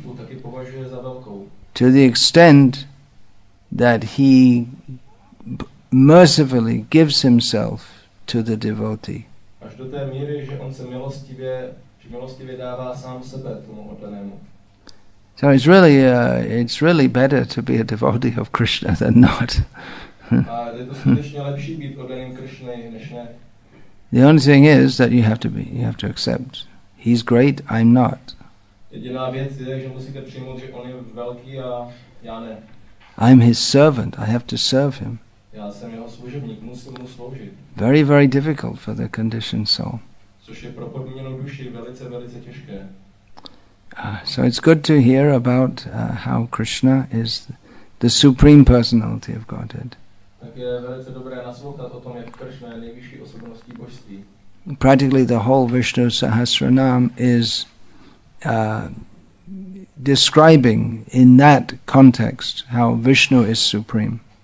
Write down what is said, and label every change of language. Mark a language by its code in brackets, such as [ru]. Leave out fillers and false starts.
[en] To the extent that he mercifully gives himself to the devotee. [cs] Až do té míry, že on se milostivě dává sám sebe tomu oddanému. [en] So it's really better to be a devotee of Krishna than not. [cs] Je to skutečně lepší být oddaným Krishna než ne. [en] The only thing is that you have to accept he's great, I'm not. [cs] Jediná věc je, že musíte přijmout, že on je velký a já ne. [en] I'm his servant, I have to serve him. [cs] Já jsem jeho služebník, musím mu sloužit. [en] Very, very difficult for the conditioned soul. [cs] Což což je pro podmíněnou duši velice, velice těžké. [en] So it's good to hear about how Krishna is the Supreme Personality of Godhead. [cs] Tak je velice dobré naslouchat o tom, jak Krishna je nejvyšší osobností božství. [en] Practically the whole Vishnu Sahasranam is describing in that context how Vishnu is supreme.